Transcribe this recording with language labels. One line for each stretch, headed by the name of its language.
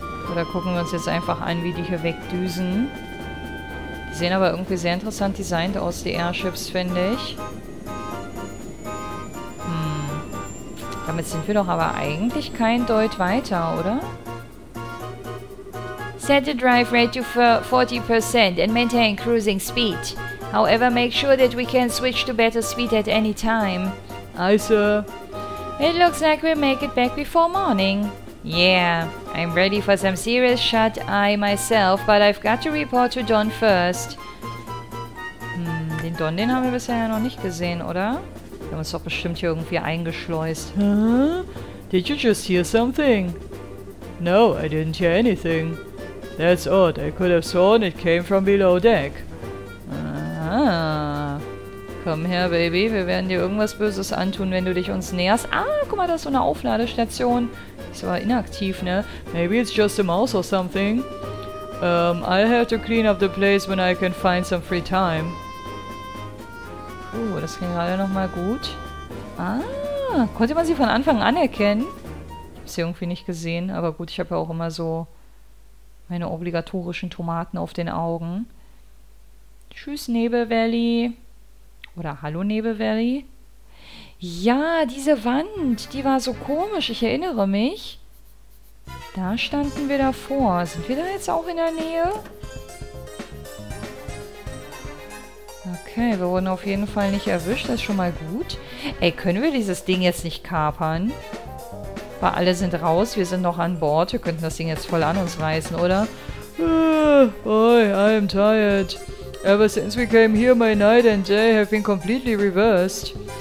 German: Oder gucken wir uns jetzt einfach an, wie die hier wegdüsen. Die sehen aber irgendwie sehr interessant designt aus, die Airships, finde ich. Damit sind wir doch aber eigentlich kein Deut weiter, oder?
English: Set the drive rate to 40% and maintain cruising speed. However, make sure that we can switch to better speed at any time. Aye, sir. It looks like we'll make it back before morning. Yeah, I'm ready for some serious shut eye myself, but I've got to report to Dawn first.
German: Den Dawn, den haben wir bisher ja noch nicht gesehen, oder? Wir haben uns doch bestimmt hier irgendwie eingeschleust.
English: Huh? Did you just hear something? No, I didn't hear anything. That's odd. I could have sworn it came from below deck.
German: Ah. Komm her, Baby. Wir werden dir irgendwas Böses antun, wenn du dich uns näherst. Ah, guck mal, da ist so eine Aufladestation. Ist aber inaktiv, ne?
English: Maybe it's just a mouse or something. I'll have to clean up the place when I can find some free time.
German: Das ging gerade nochmal gut. Ah, konnte man sie von Anfang an erkennen? Ich hab sie irgendwie nicht gesehen, aber gut, ich habe ja auch immer so meine obligatorischen Tomaten auf den Augen. Tschüss, Nebelvalley. Oder hallo, Nebelvalley. Ja, diese Wand, die war so komisch, ich erinnere mich. Da standen wir davor. Sind wir da jetzt auch in der Nähe? Okay, wir wurden auf jeden Fall nicht erwischt, das ist schon mal gut. Ey, können wir dieses Ding jetzt nicht kapern? Weil alle sind raus, wir sind noch an Bord, wir könnten das Ding jetzt voll an uns reißen, oder?
English: Boy, I am tired. Ever since we came here, my night and day have been completely reversed.